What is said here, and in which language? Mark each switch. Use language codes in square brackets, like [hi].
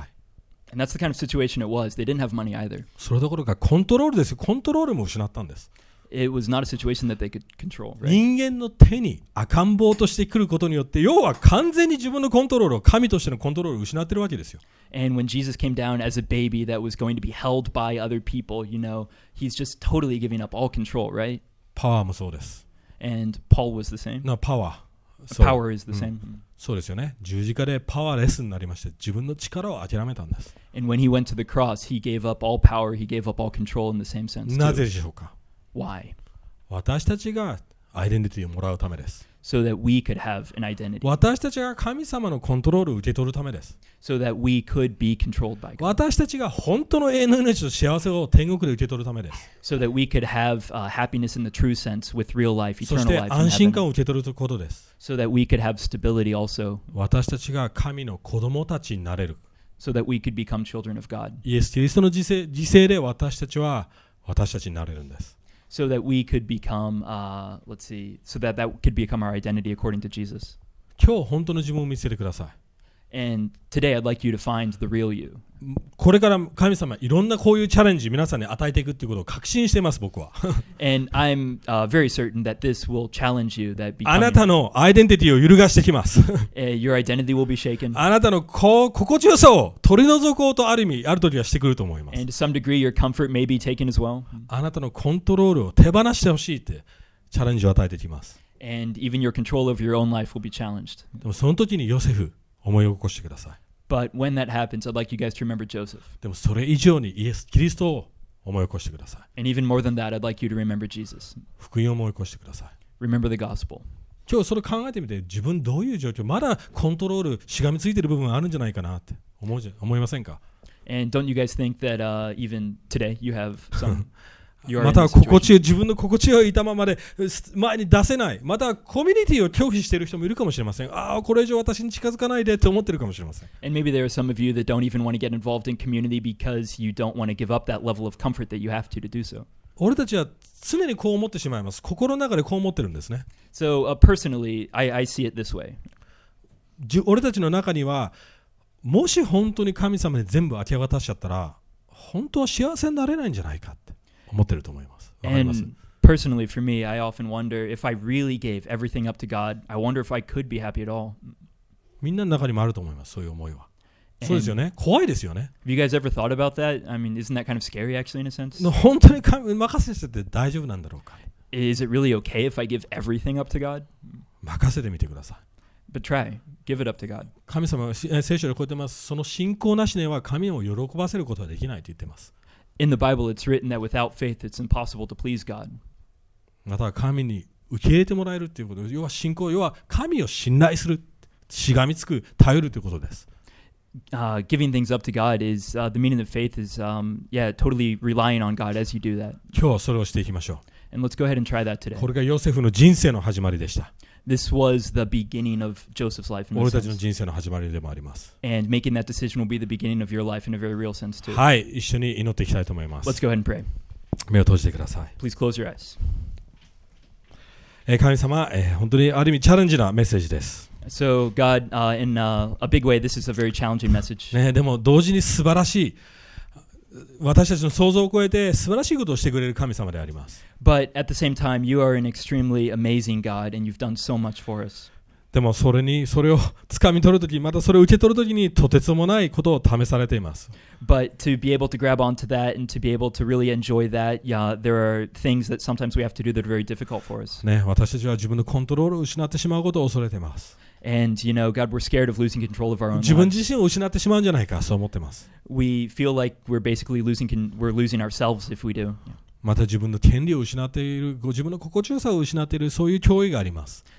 [en] But, And that's the kind of situation it was. They didn't have money either. [ja] それどころかコントロールです。コントロールも失ったんです。 [en] It was not a situation that they could control, right? [ja] 人間の手に赤ん坊として来ることによって、要は完全に自分のコントロールを神としてのコントロールを失ってるわけですよ。 [en] And when Jesus came down as a baby that was going to be held by other people, you know, he's just totally giving up all control, right? [ja] パワーもそうです。 [en] And Paul was the same. No, power. So, power is the same. [ja] そうですよね。十字架でパワーレスになりまして、自分の力を諦めたんです。 [en] And when he went to the cross, he gave up all power, he gave up all control in the same sense. [ja] なぜでしょうか? [en] Why? [ja] 私たちがアイデンティティをもらうためです。 [en] So that we could have an identity. [ja] 私たちが神様のコントロールを受け取るためです。 [en] So that we could be controlled by God. [ja] 私たちが本当の永遠の命と幸せを天国で受け取るためです。 [en] So that we could have happiness in the true sense with real life, eternal life. [ja] そして安心感を受け取ることです。 [en] So that we could have stability also. [ja] 私たちが神の子供たちになれる。 [en] So that we could become children of God. [ja] イエス・キリストの時世で私たちは私たちになれるんです。 [en] So that we could become, let's see, so that that could become our identity according to Jesus. [ja] 今日本当の自分を見せてください。 [en] And today I'd like you to find the real you. [ja] これから神様いろんなこういうチャレンジ皆さんに与えていくということを確信しています僕は。 [en] And I'm very certain that this will challenge you. That [ja] あなたのアイデンティティを揺るがしてきます。 [en] Your identity will be shaken. [ja] あなたの心地よさを取り除こうとある意味ある時はしてくると思います。 [en] And to some degree your comfort may be taken as well. [ja] あなたのコントロールを手放してほしいってチャレンジを与えてきます。 [en] And even your control of your own life will be challenged. [ja] でもその時にヨセフ思い起こしてください。 [en] But when that happens, I'd like you guys to remember Joseph. [ja] でもそれ以上にイエス・キリストを思い起こしてください。 [en] And even more than that, I'd like you to remember Jesus. [ja] 福音を思い起こしてください。 [en] Remember the gospel. [ja] 今日それ考えてみて、自分どういう状況、まだコントロールしがみついてる部分あるんじゃないかなって思いませんか? [en] And don't you guys think that even today you have some... [ja] または自分の心地よい痛ままで前に出せない。またコミュニティを拒否している人もいるかもしれません。ああ、これ以上私に近づかないでと思っているかもしれません。 [en] And maybe there are some of you that don't even want to get involved in community because you don't want to give up that level of comfort that you have to do so. [ja] 俺たちは常にこう思ってしまいます。心の中でこう思ってるんですね。 [en] So personally, I see it this way. [ja] 俺たちの中には、もし本当に神様に全部明け渡しちゃったら、本当は幸せになれないんじゃないかって。思ってると思います。わかります。 [en] And personally for me, I often wonder if I really gave everything up to God, I wonder if I could be happy at all. [ja] みんなの中にもあると思います。そういう思いは。そうですよね。怖いですよね。 [en] Have you guys ever thought about that? I mean, isn't that kind of scary actually in a sense? [ja] 本当に神に任せてて大丈夫なんだろうか。 [en] Is it really okay if I give everything up to God? [ja] 任せてみてください。 [en] But try. Give it up to God. [ja] 神様は聖書で言ってます。その信仰なしでは神を喜ばせることはできないと言ってます。 [en] In the Bible, it's written that without faith, it's impossible to please God. [ja] また神に受け入れてもらえるということ、要は信仰、要は神を信頼する、しがみつく、頼るということです。 [en] Giving things up to God is the meaning of faith is totally relying on God as you do that. [ja] 今日はそれをしていきましょう。 [en] And let's go ahead and try that today. [ja] これがヨセフの人生の始まりでした。 [en] This was the beginning of Joseph's life. [ja] 俺たちの人生の始まりでもあります。 [en] And making that decision will be the beginning of your life in a very real sense too. [ja] はい、一緒に祈っていきたいと思います。 [en] Let's go ahead and pray. [ja] 目を閉じてください。 [en] Please close your eyes. [ja] 神様、本当にある意味チャレンジなメッセージです。 [en] So God, in a big way, this is a very challenging message. [ja] ね、でも同時に素晴らしい。私たちの想像を超えて素晴らしいことをしてくれる神様であります。 [en] But at the same time, you are an extremely amazing God, and you've done so much for us. [ja] でもそれを掴み取るとき、またそれを受け取るときにとてつもないことを試されています。 [en] But to be able to grab onto that and to be able to really enjoy that, yeah, there are things that sometimes we have to do that are very difficult for us. [ja] ね、私たちは自分のコントロールを失ってしまうことを恐れています。 [en] And you know, God, we're scared of losing control of our own lives. [ja] 自分自身を失ってしまうんじゃないか、そう思ってます。 [en] We feel like we're basically losing ourselves if we do. [ja] また自分の権利を失っている、ご自分の心地よさを失っている、そういう脅威があります。